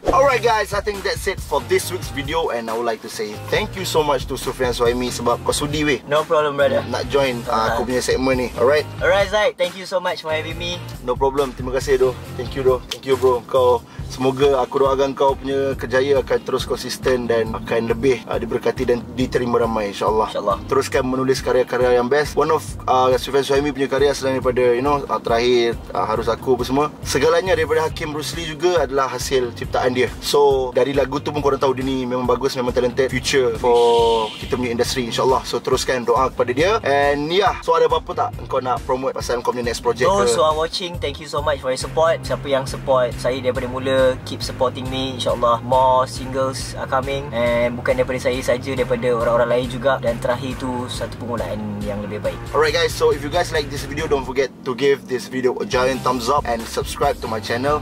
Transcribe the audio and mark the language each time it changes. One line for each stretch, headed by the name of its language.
English: Alright guys, I think that's it for this week's video. And I would like to say thank you so much to Sufian Suhaimi
Malay: sebab kau sudi weh.
English: No problem brother.
Malay: Nak join aku punya segmen ni. Alright.
English: Alright Zaid, thank you so much for having me. No problem,
Malay: terima kasih doh.
English: Thank you doh. Thank you bro.
Malay: Kau, semoga aku doakan kau punya kerjaya akan terus konsisten dan akan lebih diberkati dan diterima ramai, insyaAllah. InsyaAllah. Teruskan menulis karya-karya yang best. One of Sufian Suhaimi punya karya selain daripada,
English: you know,
Malay: terakhir, harus aku apa semua. Segalanya daripada Hakim Rusli juga adalah hasil ciptaan dia. So dari lagu tu pun korang tahu dia ni memang bagus, memang talented,
English: future for
Malay: kita punya industry, insyaAllah. So teruskan doa kepada dia.
English: And yeah,
Malay: so ada apa-apa tak kau nak promote pasal kau punya next project?
English: Those who are watching, thank you so much for your support.
Malay: Siapa yang support saya daripada mula,
English: keep supporting me, insyaAllah more singles are coming.
Malay: And bukan daripada saya saja, daripada orang-orang lain juga. Dan terakhir tu, satu permulaan yang lebih baik.
English: Alright guys, so if you guys like this video, don't forget to give this video a giant thumbs up and subscribe to my channel.